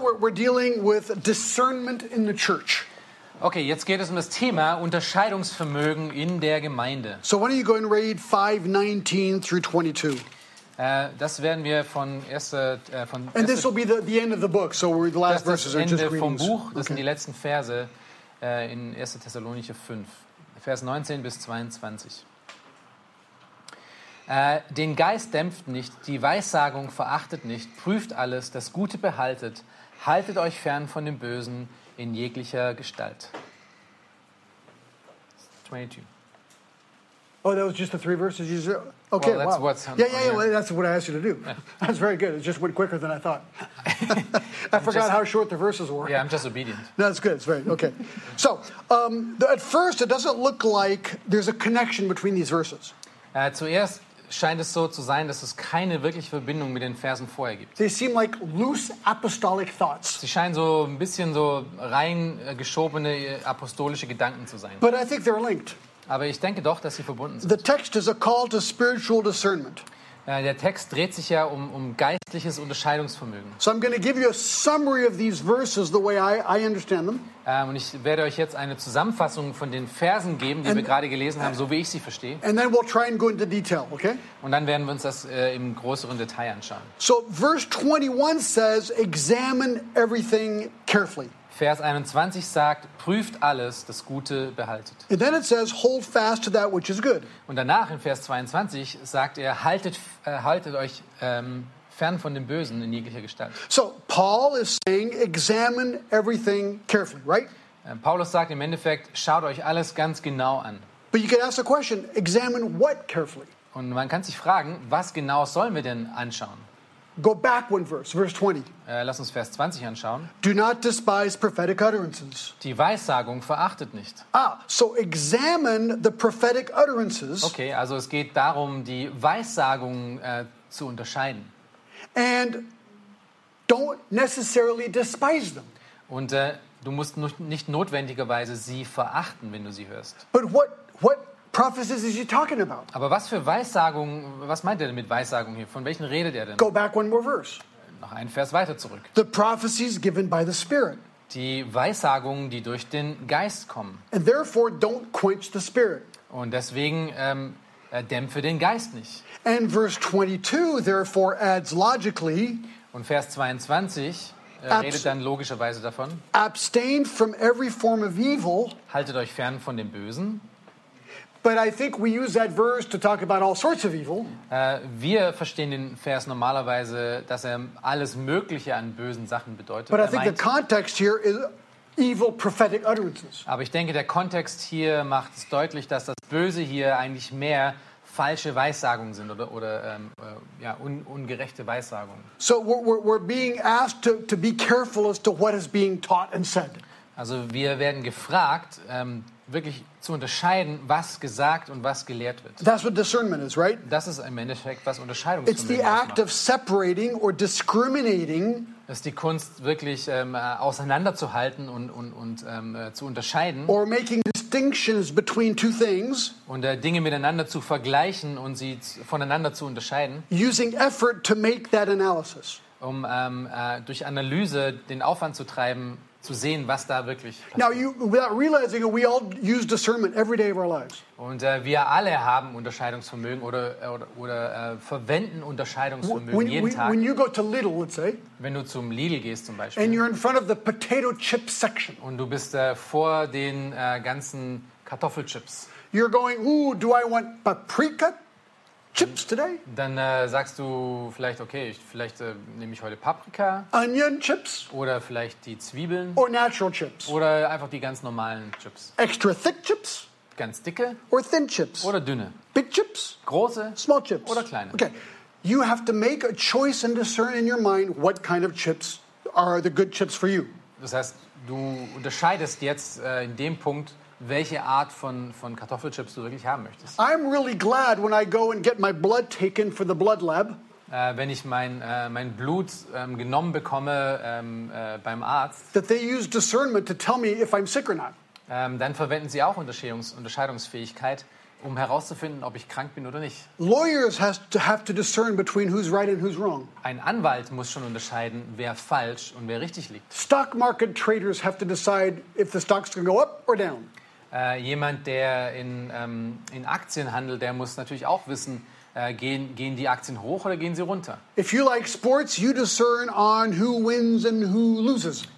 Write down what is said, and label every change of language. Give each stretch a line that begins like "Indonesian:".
English: Dealing with discernment in the church.
German: Okay, jetzt geht es um das Thema Unterscheidungsvermögen in der Gemeinde.
English: So why don't you go and read 5:19 through 22.
German: Das werden wir von von
English: And this will be the end of the book. So we're the last verses are just readings.
German: Vom Buch, das sind die letzten Verse in 1. Thessalonicher 5, Vers 19 bis 22. Den Geist dämpft nicht, die Weissagung verachtet nicht, prüft alles, das Gute behaltet. Haltet euch fern von dem Bösen in jeglicher Gestalt. 22.
English: Oh, that was just the three verses you said? Okay, well, that's what's on Yeah, well, that's what I asked you to do. That's very good. It just went quicker than I thought. I forgot how short the verses were. Yeah, I'm just obedient. No, that's good. It's very, okay. So, at first, it doesn't look like there's a connection between these verses.
German: Zuerst scheint es so zu sein, dass es keine wirkliche Verbindung mit den Versen vorher gibt.
English: They seem like loose apostolic thoughts.
German: Sie scheinen so ein bisschen so reingeschobene apostolische Gedanken zu sein.
English: But I think they're linked.
German: Aber ich denke doch, dass sie verbunden sind.
English: The text is a call to spiritual discernment.
German: Der Text dreht sich ja um geistliches Unterscheidungsvermögen.
English: So I'm going to give you a summary of these verses the way I understand them.
German: Und ich werde euch jetzt eine Zusammenfassung von den Versen geben, die wir gerade gelesen haben, so wie ich sie verstehe.
English: And then we'll try and go into detail, okay?
German: Und dann werden wir uns das im größeren Detail anschauen.
English: So verse 21 says, examine everything carefully.
German: Vers 21 sagt, prüft alles, das Gute behaltet.
English: And then it says, hold fast to that which is good.
German: Und danach in Vers 22 sagt er, haltet euch fern von dem Bösen in jeglicher Gestalt.
English: So, Paul is saying, examine everything carefully, right?
German: Paulus sagt im Endeffekt, schaut euch alles ganz genau an.
English: But you can ask the question, examine what carefully?
German: Und man kann sich fragen, was genau sollen wir denn anschauen?
English: Go back one verse, verse 20.
German: Lass uns Vers 20 anschauen.
English: Do not despise prophetic utterances.
German: Die Weissagung verachtet nicht.
English: Ah, so examine the prophetic utterances.
German: Okay, also es geht darum, die Weissagung zu unterscheiden.
English: And don't necessarily despise them.
German: Und du musst nicht notwendigerweise sie verachten, wenn du sie hörst.
English: But what prophecies is he talking about?
German: Aber was für Weissagung, was meint er denn mit Weissagung hier? Von welchen redet er denn?
English: Go back one more verse.
German: Noch einen Vers weiter zurück.
English: The prophecies given by the Spirit.
German: Die Weissagungen, die durch den Geist kommen.
English: And therefore don't quench the Spirit.
German: Und deswegen dämpfe den Geist nicht.
English: And verse 22 therefore adds logically.
German: Und Vers 22 redet dann logischerweise davon.
English: Abstain from every form of evil.
German: Haltet euch fern von dem Bösen.
English: But I think we use that verse to talk about all sorts of evil.
German: Wir verstehen den Vers normalerweise, dass er alles Mögliche an bösen Sachen bedeutet.
English: But I think the context here is evil prophetic utterances.
German: Aber ich denke, der Kontext hier macht es deutlich, dass das Böse hier eigentlich mehr falsche Weissagungen sind ungerechte Weissagungen.
English: So we're being asked to be careful as to what is being taught and said.
German: Also wir werden gefragt, wirklich zu unterscheiden, was gesagt und was gelehrt wird.
English: That's what discernment is, right?
German: Das ist im Endeffekt, was Unterscheidung ist.
English: It's the act of separating or discriminating.
German: Das ist die Kunst, wirklich auseinanderzuhalten und zu unterscheiden.
English: Or making distinctions between two things.
German: Und Dinge miteinander zu vergleichen und sie voneinander zu unterscheiden.
English: Using effort to make that analysis.
German: Um durch Analyse den Aufwand zu treiben, zu sehen, was da wirklich passiert.
English: Now you, without realizing it, we all use discernment every day of our lives.
German: Und wir alle haben Unterscheidungsvermögen oder verwenden Unterscheidungsvermögen
English: when,
German: jeden Tag.
English: When you go to Lidl, let's say,
German: wenn du zum Lidl gehst zum Beispiel,
English: and you're in front of the potato chip section,
German: und du bist vor den ganzen Kartoffelchips,
English: you're going, ooh, do I want paprika chips today?
German: Dann sagst du vielleicht, okay, nehme ich heute Paprika.
English: Onion chips.
German: Oder vielleicht die Zwiebeln.
English: Or natural chips.
German: Oder einfach die ganz normalen Chips.
English: Extra thick chips.
German: Ganz dicke.
English: Or thin chips.
German: Oder dünne.
English: Big chips.
German: Große.
English: Small chips.
German: Oder kleine.
English: Okay, you have to make a choice and discern in your mind what kind of chips are the good chips for you.
German: Das heißt, du unterscheidest jetzt in dem Punkt, welche Art von Kartoffelchips du wirklich haben möchtest.
English: I'm really glad when I go and get my blood taken for the blood lab.
German: Wenn ich mein Blut genommen bekomme beim Arzt.
English: That they use discernment to tell me if I'm sick or not.
German: Dann verwenden sie auch Unterscheidungsfähigkeit, um herauszufinden, ob ich krank bin oder nicht.
English: Lawyers have to discern between who's right and who's wrong.
German: Ein Anwalt muss schon unterscheiden, wer falsch und wer richtig liegt.
English: Stock market traders have to decide if the stock's going to go up or down.
German: Jemand, der in Aktien handelt, der muss natürlich auch wissen, gehen die Aktien hoch oder gehen sie runter?
English: If you like sports, you discern on who wins and who loses.